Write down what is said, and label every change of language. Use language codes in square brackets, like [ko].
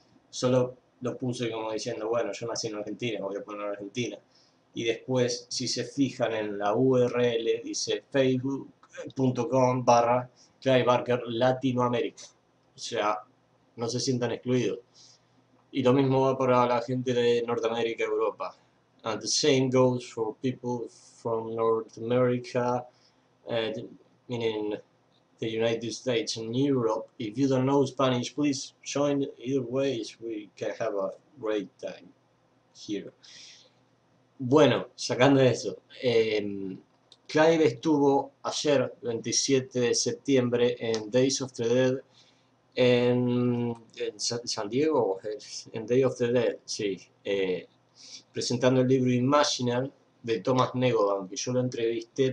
[es] Solo lo puse como diciendo, bueno, yo nací en Argentina, voy a poner Argentina. Y después, si se fijan en la URL, dice facebook.com/Clive Barker Latinoamérica. O sea, no se sientan excluidos. Y lo mismo va para la gente de Norteamérica y Europa. [en] And the same goes for people from North America, meaning the United States and Europe. If you don't know Spanish, please join either ways. We can have a great time here. [es] Bueno, sacando eso, Clive estuvo ayer, 27 de septiembre, en Days of the Dead, en San Diego, en Day of the Dead, sí, presentando el libro Imaginal de Thomas Negovan, que yo lo entrevisté.